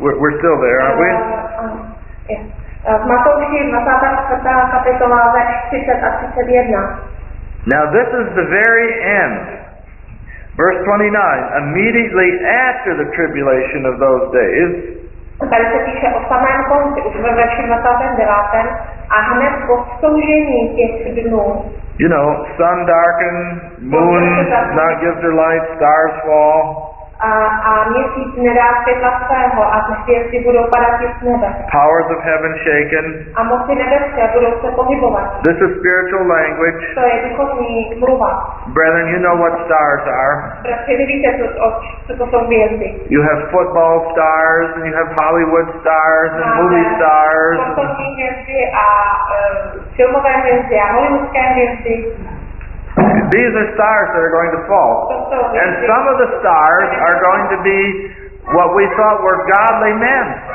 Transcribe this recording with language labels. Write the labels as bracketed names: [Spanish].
[English] We're still there, aren't we? Now this is the very end. Verse 29, immediately after the tribulation of those days. [Czech] Tady se píše o samém konci, ve verši 29. A hned po vzkoušení těch dnů. [English] You know, sun darken, moon not give their light, stars fall. [Czech] A měsíc nedá světla svého a hvězdy budou padat z nebe. [English] Powers of heaven shaken. [Czech] A moci nebeské budou se pohybovat. [English] This is spiritual language. [Czech] To je duchovní mluva. [English] Brethren, you know what stars are. [Czech] Bratři, vidíte, co jsou hvězdy. [English] You have football stars and you have Hollywood stars and movie stars. [Czech] Sportovní hvězdy a filmové hvězdy a hollywoodské hvězdy. [English] These are stars that are going to fall. And some of the stars are going to be what we thought were godly men.